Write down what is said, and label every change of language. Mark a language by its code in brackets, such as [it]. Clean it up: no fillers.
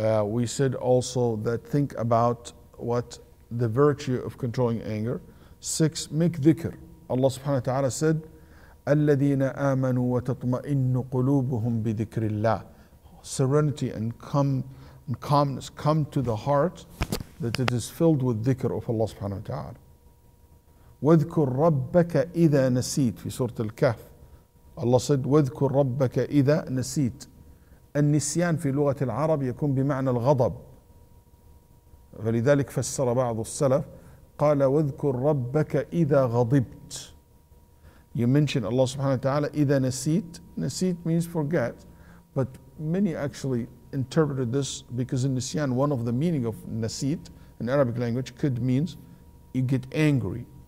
[en] We said also that think about what the virtue of controlling anger. Six, make dhikr. Allah subhanahu wa ta'ala said, [ar] الَّذِينَ آمَنُوا وَتَطْمَئِنُّ قُلُوبُهُمْ بِذِكْرِ اللَّهِ. [en] Serenity and calmness come to the heart that it is filled with dhikr of Allah subhanahu wa ta'ala. [ar] وَذْكُرْ رَبَّكَ إِذَا نَسِيتُ في سورة الكهف. [en] Allah said, [ar] وَذْكُرْ رَبَّكَ إِذَا نَسِيتُ. النسيان في لغة العرب يكون بمعنى الغضب, فلذلك فسر بعض السلف قال واذكر ربك إذا غضبت. [en] You mention Allah [ar] سبحانه وتعالى إذا نسيت. [en] نسيت means forget, but many actually interpreted this because النسيان, one of the meaning of نسيت in Arabic language, could means you get angry.